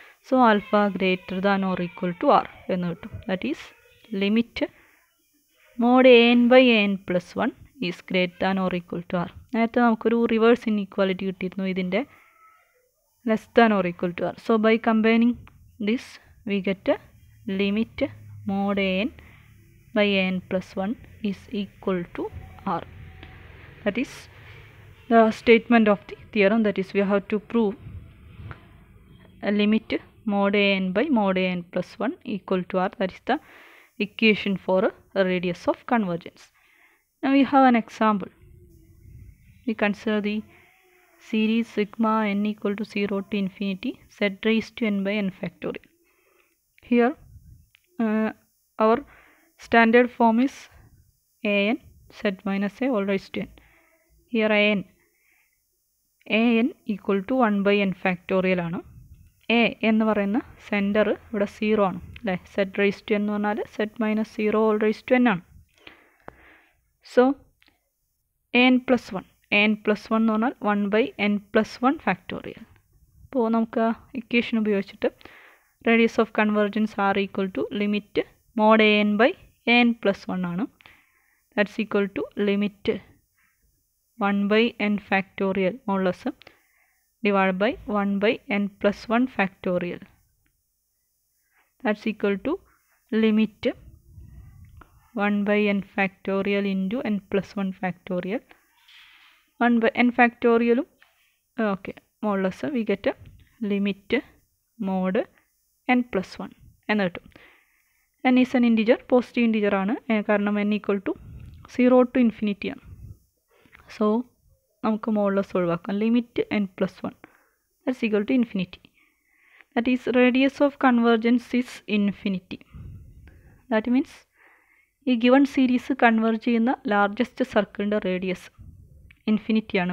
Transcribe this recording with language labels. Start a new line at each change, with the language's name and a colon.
English: So alpha greater than or equal to R എന്ന് കിട്ടും. That is limit mod A N by A N plus one is greater than or equal to R.
Malayalam: നേരത്തെ നമുക്കൊരു
English: reverse inequality
Malayalam: കിട്ടിയിരുന്നു ഇതിൻ്റെ
English: Less than or equal to R. So by combining this we get limit mod A N by A N plus one is equal to R. That is the statement of the theorem. That is, we have to prove a limit mod an by mod an plus 1 equal to r. That is the equation for a radius of convergence. Now we have an example. We consider the series sigma n equal to 0 to infinity z raised to n by n factorial. Here our standard form is an z minus a all raised to n. Here an, an equal to 1 by n factorial ആണ്.
Malayalam: a എന്ന് പറയുന്ന centre ഇവിടെ zero ആണ് അല്ലേ,
English: z raised to n
Malayalam: എന്ന് പറഞ്ഞാൽ
English: z minus 0 all raised to n
Malayalam: ആണ്.
English: so an plus 1, an plus 1
Malayalam: എന്ന് പറഞ്ഞാൽ
English: 1 by n plus 1 factorial.
Malayalam: അപ്പോൾ നമുക്ക് ആ ഇക്വേഷൻ ഉപയോഗിച്ചിട്ട് radius of convergence
English: r equal to
Malayalam: limit mode A N by A N plus 1 ആണ്.
English: That's equal to limit 1 by n factorial modulus divided by 1 by n plus 1 factorial. That's equal to limit 1 by n factorial into n plus 1 factorial. 1 by n factorial, okay, modulus we get a limit mod n plus 1. And that n is an integer, positive integer
Malayalam: ആണ്, കാരണം
English: n equal to 0 to infinity ആണ്. So
Malayalam: നമുക്ക് modulus ഒഴിവാക്കാം,
English: Limit N plus one that's equal to infinity. That is radius of convergence is infinity. That means
Malayalam: ഈ given series converge ചെയ്യുന്ന largest സർക്കിളിൻ്റെ radius ഇൻഫിനിറ്റിയാണ്.